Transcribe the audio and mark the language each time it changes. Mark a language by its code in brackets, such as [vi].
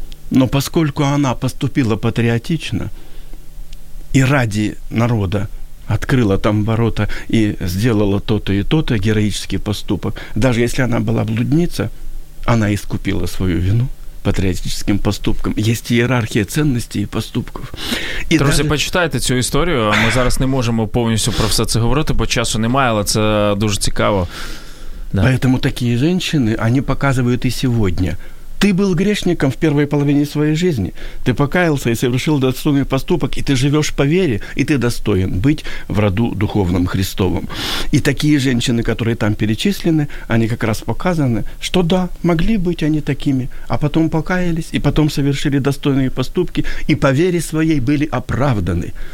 [ru] Но поскольку она поступила патриотично и ради народа открыла там ворота и сделала то-то и то-то, героический поступок, даже если она была блудница, она искупила свою вину патриотическим поступком. Есть иерархия ценностей и поступков. [uk] І друзі, далі... почитайте цю історію. Ми зараз не можемо повністю про все це говорити, бо часу немає, але це дуже цікаво. [ru] Да. Поэтому такие женщины, они показывают и сегодня. Ты был грешником в первой половине своей жизни. Ты покаялся и совершил достойный поступок, и ты живешь по вере, и ты достоин быть в роду духовном Христовом. И такие женщины, которые там перечислены, они как раз показаны, что да, могли быть они такими, а потом покаялись, и потом совершили достойные поступки, и по вере своей были оправданы.